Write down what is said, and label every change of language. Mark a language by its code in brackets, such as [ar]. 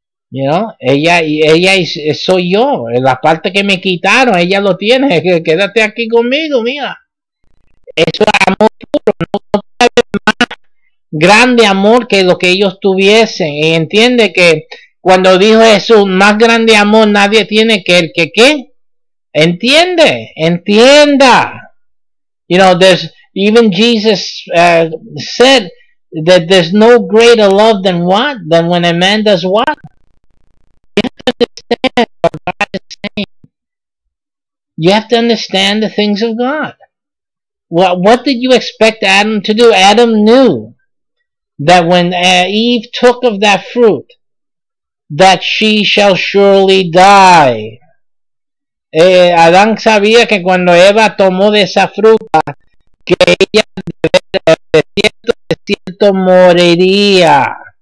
[en] You know, [es] ella soy yo, la parte que me quitaron, ella lo tiene, quédate aquí conmigo, mira. Eso es amor puro, no puede más grande amor que lo que ellos tuviesen. Y entiende que cuando dijo Jesús, más grande amor nadie tiene que el que qué. Entiende, entienda. [en] You know, there's, even Jesus said that there's no greater love than what? Than when a man does what? You have to understand the things of God. What did you expect Adam to do? Adam knew that when Eve took of that fruit, that she shall surely die. [es] Adán sabía que cuando Eva tomó de esa fruta, que ella de cierto moriría.